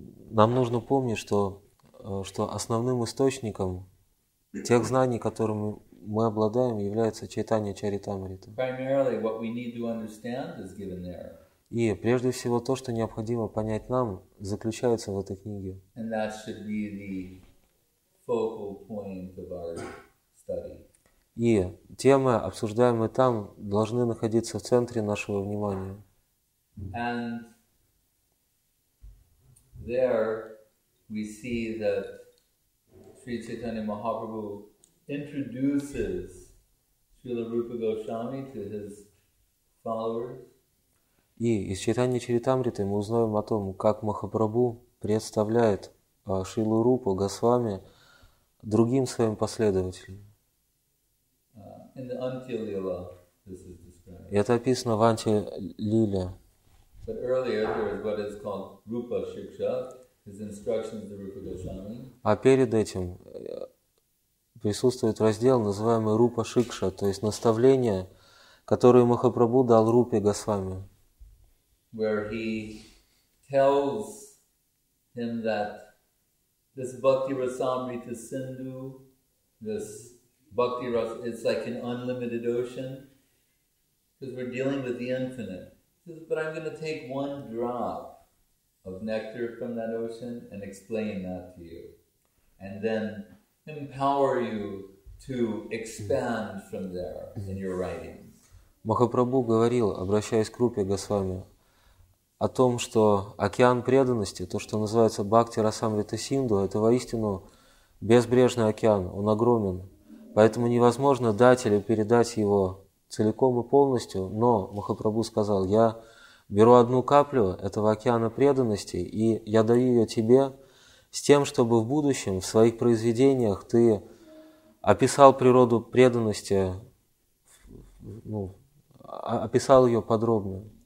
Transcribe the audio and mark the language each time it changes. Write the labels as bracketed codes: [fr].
[ru] Нам нужно помнить, что основным источником тех знаний, которыми мы обладаем, является Чайтанья Чаритамрита. [en] Primarily, what we need to understand is given there. [ru] И прежде всего то, что необходимо понять нам, заключается в этой книге. [en] And that should be the focal point of our study. [ru] И темы, обсуждаемые там, должны находиться в центре нашего внимания. [en] And there we see that Sri Chaitanya Mahaprabhu introduces Srila Rupa Goswami to his followers. [ru] И из Чайтанья Чаритамриты мы узнаем о том, как Махапрабху представляет Шрилу Рупу Госвами другим своим последователям. [en] In the Antya-lila, this is [ru] И это описано в Анти-лиле. [en] described. But earlier there is what is called Rupa Shiksha, his instructions to Rupa Goswami. [ru] А перед этим присутствует раздел, называемый Рупа Шикша, то есть наставление, которое Махапрабху дал Рупе Госвами. [en] Where he tells him that this Bhakti Rasamrita Sindhu, this Bhakti Rasa, it's like an unlimited ocean, because we're dealing with the infinite. He says, but I'm going to take one drop of nectar from that ocean and explain that to you, and then empower you to expand from there in your writing. [ru] Махапрабху говорил, обращаясь к Рупе Госвами, о том, что океан преданности, то, что называется Бхакти-расамрита-синдху, это воистину безбрежный океан, он огромен. Поэтому невозможно дать или передать его целиком и полностью, но Махапрабху сказал, я беру одну каплю этого океана преданности, и я даю ее тебе с тем, чтобы в будущем в своих произведениях ты описал природу преданности, ну, описал ее подробно.